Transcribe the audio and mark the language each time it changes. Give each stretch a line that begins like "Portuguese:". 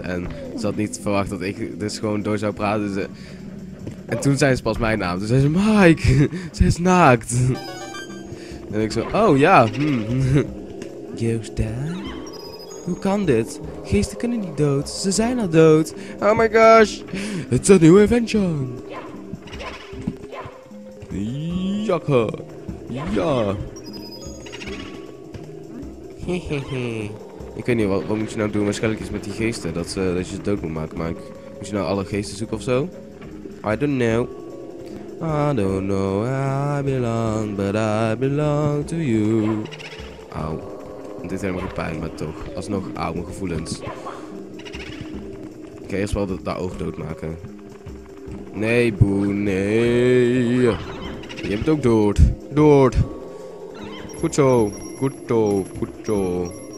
Dutch: En ze had niet verwacht dat ik dus gewoon door zou praten. Dus, en toen zei ze pas mijn naam. Toen zei ze, Mike, ze is naakt. En ik zo, oh ja. Joostan, hoe kan dit? Geesten kunnen niet dood, ze zijn al dood.
English: Oh my gosh, it's a new invention. Jakker.
Dutch: Ja. Ik weet niet, wat moet je nou doen? Waarschijnlijk is met die geesten, dat je ze dood moet maken. Maar moet je nou alle geesten zoeken of zo?
English: I don't know. I don't know where I belong, but I belong to you. Auw.
Dutch: Dit is helemaal geen pijn, maar toch. Alsnog, auw, mijn gevoelens. Oké, eerst wel dat oog dood maken. Nee, boe, nee. Je bent ook dood. Dood. Goed zo. Goed zo. Goed zo.